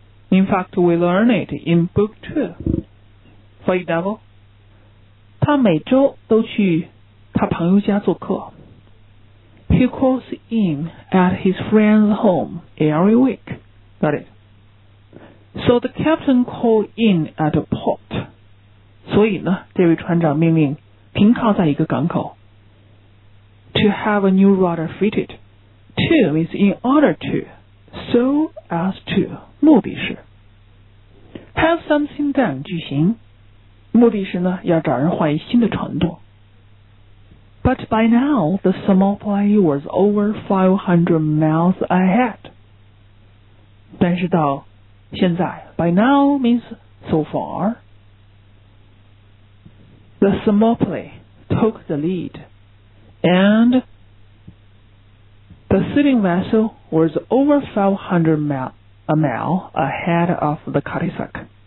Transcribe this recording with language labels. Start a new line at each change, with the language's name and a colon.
English: In fact, we learn it in book 2. For example,
Chinese: 他每周都去他朋友家做客。
English: He calls in at his friend's home every week. Got it. So the captain called in at a port.
Chinese: 所以呢，这位船长命令停靠在一个港口。
English: To have a new rudder fitted. To is in order to. So as to. 目的是。Have something done. 句型。
Chinese: 目的是呢，要找人换一新的船舵。
English: But by now, the Thermopylae was over 500 miles ahead.
Chinese: 但是到现在，
English: by now means so far. The Thermopylae, took the lead, and the sitting vessel was over 500 mile ahead of the Cuttisac.